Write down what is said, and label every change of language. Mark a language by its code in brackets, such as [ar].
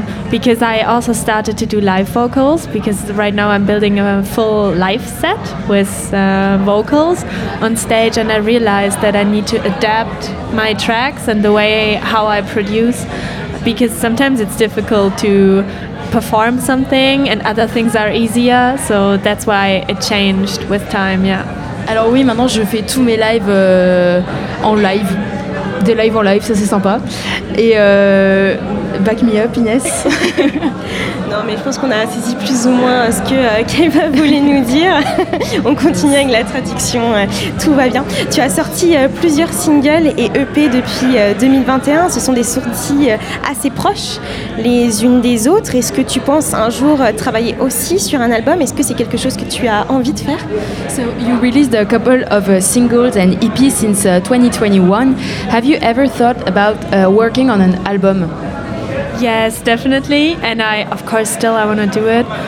[en] Because I also started to do live vocals, because right now I'm building a full live set with vocals on stage, and I realized that I need to adapt my tracks and the way how I produce, because sometimes it's difficult to perform something and other things are easier, so that's why it changed with time, yeah. [fr] Alors oui, maintenant je fais tous mes lives en live. Des live en live, ça c'est sympa. Et [en] back me up, [fr] Inès. Non, mais je pense qu'on a saisi plus ou moins ce que Kaïba voulait nous dire. On continue avec la traduction, tout va bien. Tu as sorti plusieurs singles et EP depuis 2021. Ce sont des sorties assez proches les unes des autres. Est-ce que tu penses un jour travailler aussi sur un album? Est-ce que c'est quelque chose que tu as envie de faire? [en] So you released a couple of singles and EP since 2021. Have you ever thought about working on an album? Yes, definitely, and I want to do it.